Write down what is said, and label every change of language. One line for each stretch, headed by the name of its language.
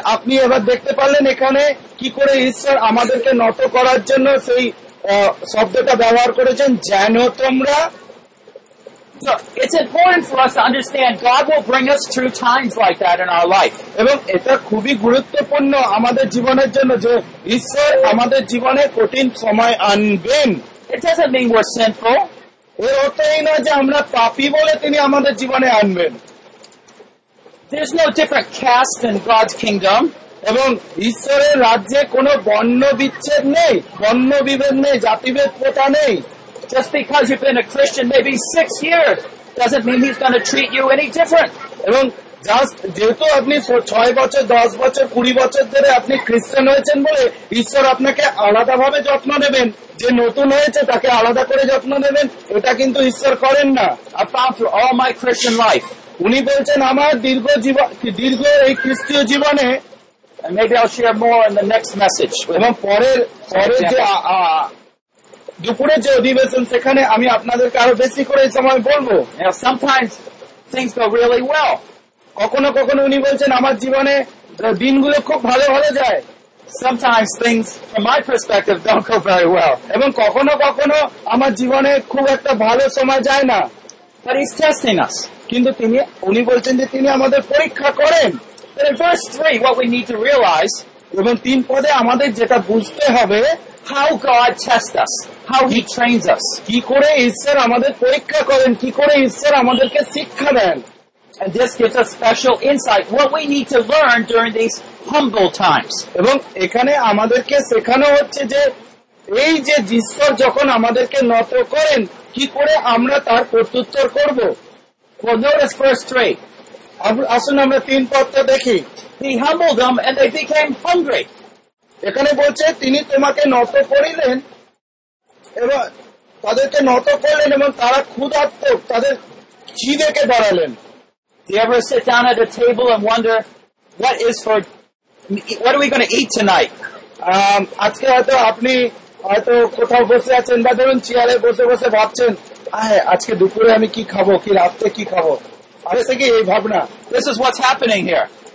Bangla: আপনি এবার দেখতে পারলেন এখানে কি করে ঈশ্বর আমাদেরকে নত করার জন্য সেই শব্দটা ব্যবহার করেছেন যেন তোমরা
English: So it's important for us to understand God will bring us through times like that in our life.
Bangla: এবং এটা খুবই গুরুত্বপূর্ণ আমাদের জীবনের জন্য যে ঈশ্বর আমাদের জীবনে কঠিন সময় আনবেন.
English: It doesn't mean we're sinful.
Bangla: এর অর্থ এই না যে আমরা পাপী বলে তিনি আমাদের জীবনে আনবেন.
English: There's no different caste in God's kingdom.
Bangla: এবং ঈশ্বরের রাজ্যে কোন বর্ণ বিচ্ছেদ নেই বর্ণ বিভেদ নেই জাতিভেদ প্রথা নেই
English: Just because you've been a Christian maybe 6 years doesn't mean he's going to treat you any different.
Bangla: এবং যেহেতু আপনি 6 বছর 10 বছর 20 বছর ধরে আপনি খ্রিস্টান হয়েছেন বলে ঈশ্বর আপনাকে আলাদা ভাবে যত্ন নেবেন যে নতুন হয়েছে তাকে আলাদা করে যত্ন নেবেন এটা কিন্তু ঈশ্বর করেন না
English: After all my Christian life.
Bangla: উনি বলছেন আমার দীর্ঘ জীবন দীর্ঘ এই খ্রিস্টীয় জীবনে
English: And maybe I'll share more in the next message.
Bangla: এবং পরের যে দুপুরের যে অধিবেশন সেখানে আমি আপনাদেরকে আরো বেশি করে এই সময় বলবো
English: Sometimes things go really well.
Bangla: কখনো কখনো উনি বলছেন আমার জীবনে দিনগুলো খুব ভালো ভালো যায়
English: Sometimes things from my perspective don't go very well.
Bangla: এবং কখনো কখনো আমার জীবনে খুব একটা ভালো সময় যায় না
English: But he's testing us.
Bangla: কিন্তু উনি বলছেন যে তিনি আমাদের পরীক্ষা করেন
English: But in verse 3, what we need to realize,
Bangla: এবং তিন পদে আমাদের যেটা বুঝতে হবে
English: how God tests us, how he trains us.
Bangla: কি করে ঈশ্বর আমাদের পরীক্ষা করেন কি করে ঈশ্বর আমাদেরকে শিক্ষা দেন
English: And this gives us special insight, what we need to learn during these humble times.
Bangla: এবং এখানে আমাদেরকে শেখানো হচ্ছে যে এই যে ঈশ্বর যখন আমাদেরকে নত করেন কি করে আমরা তার প্রত্যুত্তর করবো
English: Notice verse 3.
Bangla: আসুন আমরা তিন পথটা দেখি
English: He humbled them and they became hungry.
Bangla: এখানে বলছে তিনি তোমাকে নত করিলেন এবং তাদেরকে নত করলেন এবং তারা ক্ষুধার্ত তাদের খিদেকে বাড়ালেন
English: Do you ever sit down at a table and wonder what are we going to eat tonight?
Bangla: আজকে হয়তো আপনি হয়তো কোথাও বসে আছেন বা ধরুন চেয়ারে বসে বসে ভাবছেন আজকে দুপুরে আমি কি খাবো কি রাত্রে কি খাবো
English: This is what's happening here.